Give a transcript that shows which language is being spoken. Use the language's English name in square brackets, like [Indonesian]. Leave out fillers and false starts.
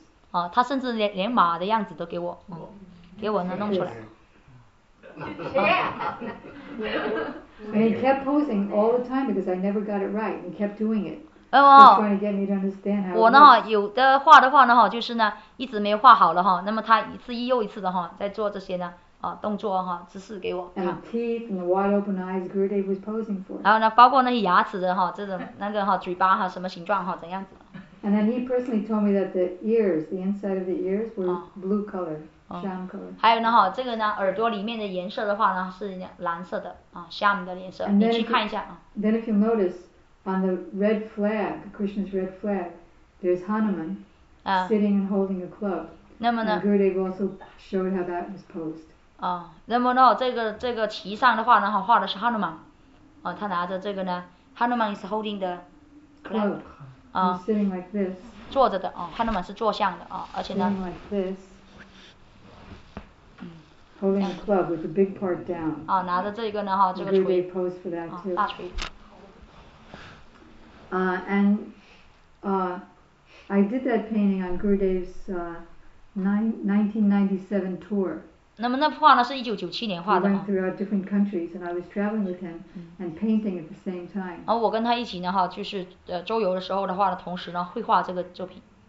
[Chinese] 啊，他甚至连马的样子都给我，给我呢弄出来。 [English] And he kept posing all the time because I never got it right and kept doing it. Oh, oh. He was trying to get me to understand how it works. And teeth and the wide open eyes Gurudev was posing for. [Chinese] 然后呢，包括那些牙齿的哈，这种那个哈，嘴巴哈，什么形状哈，怎样子。 [English] And then he personally told me that the ears, the inside of the ears, were blue color. Oh, [Chinese] 还有呢哈，这个呢耳朵里面的颜色的话呢是蓝色的啊，虾米的颜色，你去看一下啊。 [English] Then if you notice on the red flag, Krishna's red flag, there's Hanuman sitting and holding a club. [Chinese] 那么呢 [English] ，Gurudev also showed how that was posed. [Chinese] 啊，那么呢，这个旗上的话呢，画的是 Hanuman， 啊，他拿着这个呢 ， [English] Hanuman is holding the club. He's sitting like this. [Chinese] 坐着的啊 ，Hanuman 是坐像的啊，而且呢。 [English] Sitting like this. Holding a club with the big part down. [Chinese] 啊，拿着这个呢哈，这个锤。 [English] Gurudev posed for that too. [Chinese] 大锤。 [English] I did that painting on Gurudev's 1997 tour. [Chinese] 那么那幅画呢是1997年画的。 [English] We went throughout different countries, and I was traveling with him and painting at the same time. [Chinese] 我跟他一起呢哈，就是周游的时候的话呢，同时呢绘画这个作品。